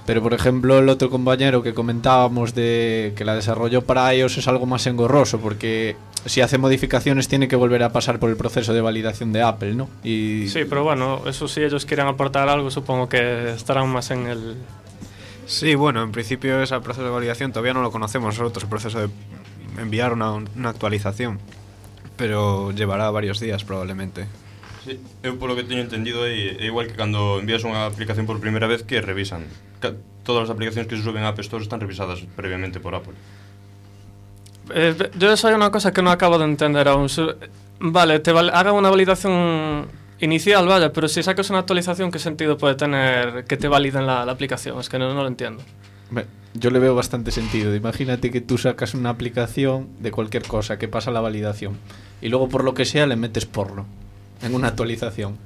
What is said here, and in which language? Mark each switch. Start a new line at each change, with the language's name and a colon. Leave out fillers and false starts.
Spanish: Pero por ejemplo, el otro compañero que comentábamos de que la desarrolló para iOS es algo más engorroso, porque si hace modificaciones tiene que volver a pasar por el proceso de validación de Apple, ¿no? Y sí, pero bueno, eso sí, ellos quieren aportar algo, supongo que estarán más en el... Sí, bueno, en principio ese proceso de validación todavía no lo conocemos nosotros, el proceso de enviar una actualización, pero llevará varios días probablemente.
Galician: Sí, eu polo que teño entendido é igual que cando envías unha aplicación por primeira vez que revisan. Todas as aplicacións que se suben a App Store están revisadas previamente por Apple.
Spanish: Yo eso hay una cosa que no acabo de entender aún. Vale, haga una validación inicial, vaya, pero si sacas una actualización, ¿qué sentido puede tener que te validen la aplicación? Es que no lo entiendo. Yo le veo bastante sentido. Imagínate que tú sacas una aplicación de cualquier cosa que pasa la validación y luego por lo que sea le metes porno en una actualización.